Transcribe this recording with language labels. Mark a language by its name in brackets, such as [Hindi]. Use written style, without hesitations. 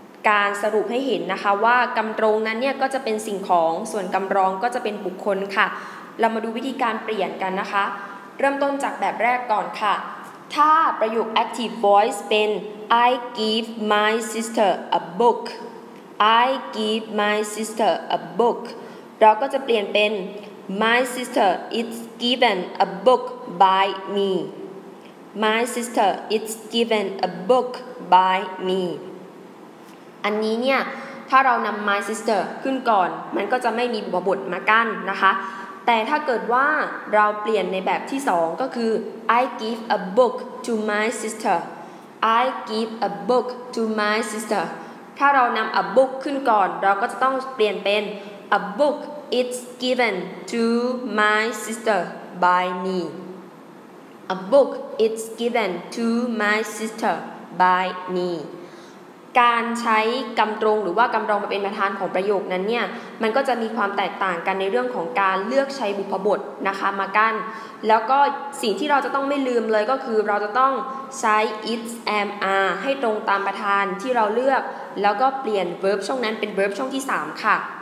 [Thai] การสรุปให้เห็นนะคะว่ากรรมตรงนั้นเนี่ยก็จะเป็นสิ่งของส่วนกรรมรองก็จะเป็นบุคคลค่ะเรามาดูวิธีการเปลี่ยนกันนะคะเริ่มต้นจากแบบแรกก่อนค่ะถ้าประโยค active voice เป็น [English] I give my sister a book [Thai] I give my sister a bookเราก็จะเปลี่ยนเป็น [English] My sister is given a book by me. My sister is given a book by me. [Thai] อันนี้เนี่ยถ้าเรานำ My sister ขึ้นก่อนมันก็จะไม่มีบทมากั้นนะคะแต่ถ้าเกิดว่าเราเปลี่ยนในแบบที่2ก็คือ [English] I give a book to my sister. I give a book to my sister. [Thai] ถ้าเรานำ a book ขึ้นก่อนเราก็จะต้องเปลี่ยนเป็น [English] A book is given to my sister by me. A book is given to my sister by me. [Thai] การใช้กรรมตรงหรือว่ากรรมรองมาเป็นประธานของประโยคนั้นเนี่ยมันก็จะมีความแตกต่างกันในเรื่องของการเลือกใช้บุพบทนะคะมากั้นแล้วก็สิ่งที่เราจะต้องไม่ลืมเลยก็คือเราจะต้องใช้ is am are ให้ตรงตามประธานที่เราเลือกแล้วก็เปลี่ยน verb ช่องนั้นเป็น verb ช่องที่3ค่ะ